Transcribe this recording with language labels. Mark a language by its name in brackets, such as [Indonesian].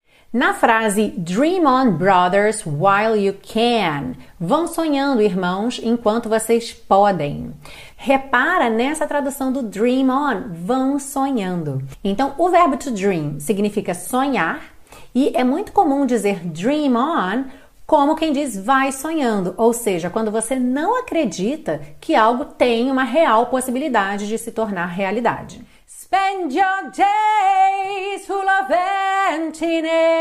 [Portuguese] Na frase [English] Dream on, brothers, while you can. [Portuguese] Vão sonhando, irmãos, enquanto vocês podem. Repara nessa tradução do dream on, vão sonhando. Então, o verbo to dream significa sonhar e é muito comum dizer dream on como quem diz vai sonhando, ou seja, quando você não acredita que algo tem uma real possibilidade de se tornar realidade. [English] Spend your days full of emptiness.